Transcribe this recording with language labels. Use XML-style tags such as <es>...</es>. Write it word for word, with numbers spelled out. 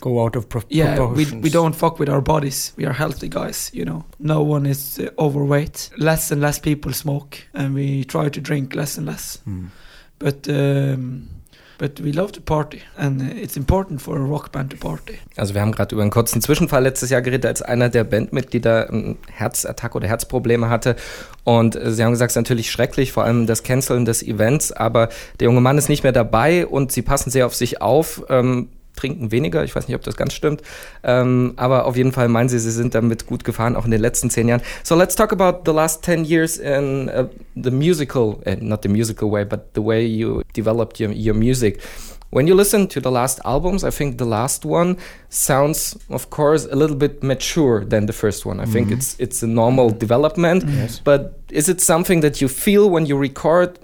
<en>go out of pro- yeah, proportions. Yeah, we, we don't fuck with our bodies. We are healthy guys, you know. No one is uh, overweight. Less and less people smoke, and we try to drink less and less. Mm. But... Um, But we love to party, and it's important for a rock band to party.</en> <de>Also wir haben gerade über einen kurzen Zwischenfall letztes Jahr geredet, als einer der Bandmitglieder einen Herzattack oder Herzprobleme hatte. Und sie haben gesagt, es ist natürlich schrecklich, vor allem das Canceln des Events. Aber der junge Mann ist nicht mehr dabei und sie passen sehr auf sich auf. Ähm, trinken weniger, ich weiß nicht, ob das ganz stimmt, um, aber auf jeden Fall meinen sie, sie sind damit gut gefahren, auch in den letzten zehn Jahren.</de> <en>So let's talk about the last ten years in uh, the musical, uh, not the musical way, but the way you developed your, your music. When you listen to the last albums, I think the last one sounds, of course, a little bit mature than the first one. I mm-hmm. think it's it's a normal development, yes. But is it something that you feel when you record?</en>